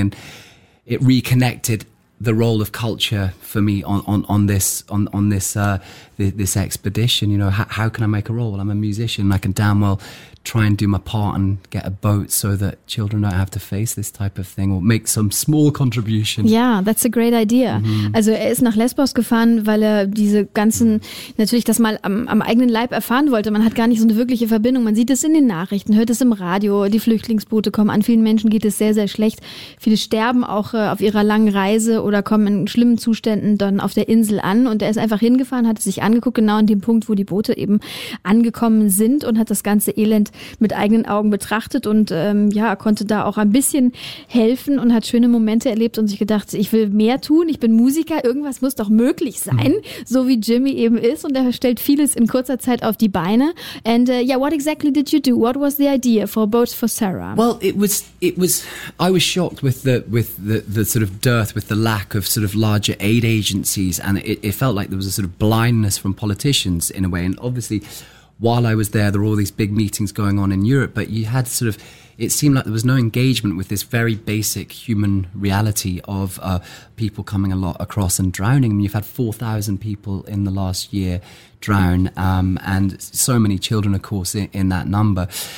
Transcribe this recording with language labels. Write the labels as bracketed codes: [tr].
[en] And it reconnected the role of culture for me on this expedition. You know, how can I make a role? Well, I'm a musician. I can damn well try and do my part and get a boat so that children don't have to face this type of thing, or make some small contribution. Yeah, that's a great idea. Mm-hmm. [de] Also er ist nach Lesbos gefahren, weil er diese ganzen, natürlich das mal am eigenen Leib erfahren wollte. Man hat gar nicht so eine wirkliche Verbindung. Man sieht es in den Nachrichten, hört es im Radio, die Flüchtlingsboote kommen an. Vielen Menschen geht es sehr, sehr schlecht. Viele sterben auch auf ihrer langen Reise oder kommen in schlimmen Zuständen dann auf der Insel an. Und er ist einfach hingefahren, hat es sich angeguckt, genau an dem Punkt, wo die Boote eben angekommen sind, und hat das ganze Elend mit eigenen Augen betrachtet und konnte da auch ein bisschen helfen und hat schöne Momente erlebt und sich gedacht, ich will mehr tun, ich bin Musiker, irgendwas muss doch möglich sein, so wie Jimmy eben ist, und er stellt vieles in kurzer Zeit auf die Beine. [en] And what exactly did you do? What was the idea for Boat for Sarah? Well, I was shocked with the sort of dearth, with the lack of sort of larger aid agencies, and it felt like there was a sort of blindness from politicians in a way. And obviously, while I was there, there were all these big meetings going on in Europe, but you had sort of, it seemed like there was no engagement with this very basic human reality of people coming a lot across and drowning. I mean, you've had 4,000 people in the last year drown, and so many children, of course, in that number.